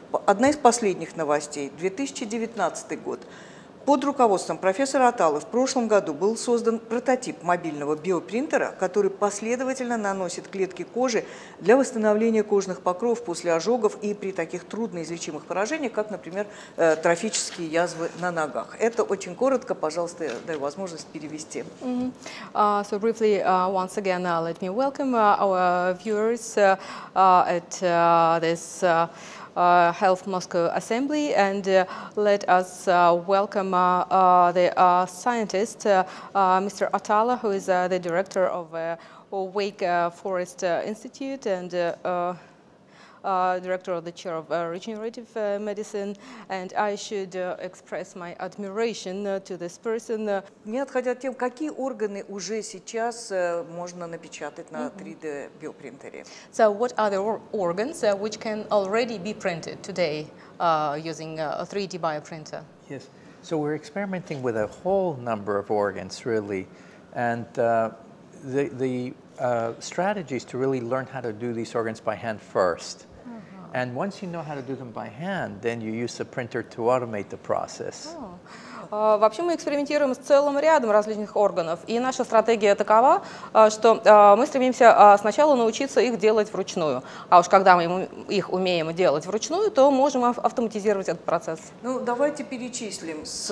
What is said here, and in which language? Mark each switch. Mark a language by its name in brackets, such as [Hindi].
[Russian] Одна из последних новостей – 2019 год. Под руководством профессора Аталы в прошлом году был создан прототип мобильного биопринтера, который последовательно наносит клетки кожи для восстановления кожных покровов после ожогов и при таких трудноизлечимых поражениях, как, например, трофические язвы на ногах. Это очень коротко, пожалуйста, дай возможность перевести. [English] So briefly, once again, let me welcome our viewers at this Health Moscow Assembly, and let us welcome the scientist, Mr. Atala, who is the director of Wake Forest Institute and director of the chair of regenerative medicine. And I should express my admiration to this person. [Russian] Не отходя от тем, какие органы уже сейчас можно напечатать на 3D-биопринтере? [English] So what are the organs which can already be printed today using a 3D bioprinter? Yes, so we're experimenting with a whole number of organs, really. And the strategies to really learn how to do these organs by hand first. And once you know how to do them by hand, then you use a printer to automate the process. [Russian] Вообще мы экспериментируем с целым рядом различных органов. И наша стратегия такова, что мы стремимся сначала научиться их делать вручную. А уж когда мы их умеем делать вручную, то можем автоматизировать этот процесс. Ну, давайте перечислим.